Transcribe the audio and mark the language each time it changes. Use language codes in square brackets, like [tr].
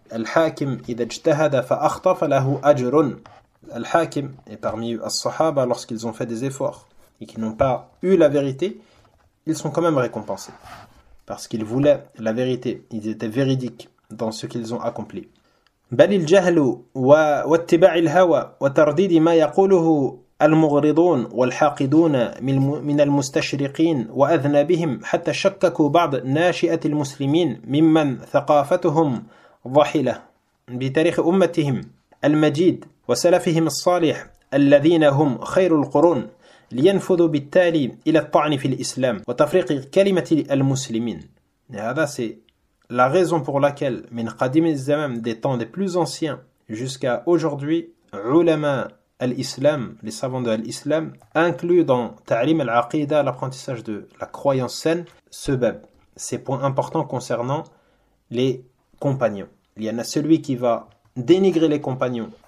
[ar] Al-Hakim, idha ijtahada fa akhta fa lahu ajrun. [fr] Al-Hakim est parmi as-Sahaba lorsqu'ils ont fait des efforts et qui n'ont pas eu la vérité, ils sont quand même récompensés. Parce qu'ils voulaient la vérité, ils étaient véridiques dans ce qu'ils ont accompli. [ar] بل الجهل واتباع الهوى وترديد ما يقوله المغرضون والحاقدون من المستشرقين وأذنابهم حتى شككوا بعض ناشئة المسلمين ممن ثقافتهم ضحلة بتاريخ أمتهم المجيد وسلفهم الصالح الذين هم خير القرون لينفذوا بالتالي إلى الطعن في الإسلام وتفريق كلمة المسلمين. هذا [fr] c'est la raison pour laquelle [ar] من قديم الزمان [fr] des temps des plus anciens jusqu'à aujourd'hui [ar] علماء الإسلام [fr] les savants de l'islam inclus dans [ar] تعليم العقيدة [fr] l'apprentissage de la croyance saine se bab ces points importants concernant les compagnons. Il y en a celui qui va dénigrer les compagnons